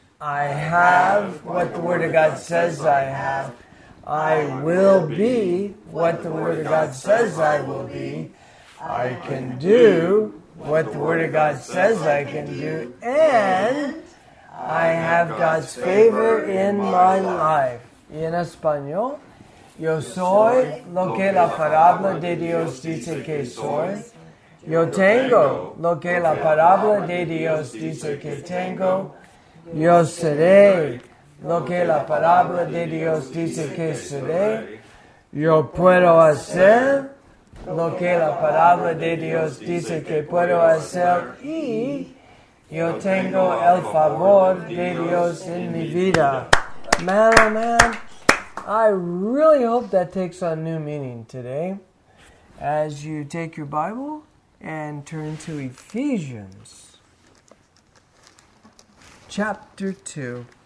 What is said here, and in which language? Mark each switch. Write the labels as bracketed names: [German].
[English] I have what the Word of God says I have. I will be what the Word of God says I will be. I can do what the Word of God says I can do. And I have God's favor in my life. [Spanish] En español, yo soy lo que la palabra de Dios dice que soy. Yo tengo lo que la palabra de Dios dice que tengo. Yo seré lo que la palabra de Dios dice que seré. Yo puedo hacer lo que la palabra de Dios dice que puedo hacer. Y yo tengo el favor de Dios en mi vida. [English] Man, oh man, I really hope that takes on new meaning today. As you take your Bible and turn to Ephesians chapter 2.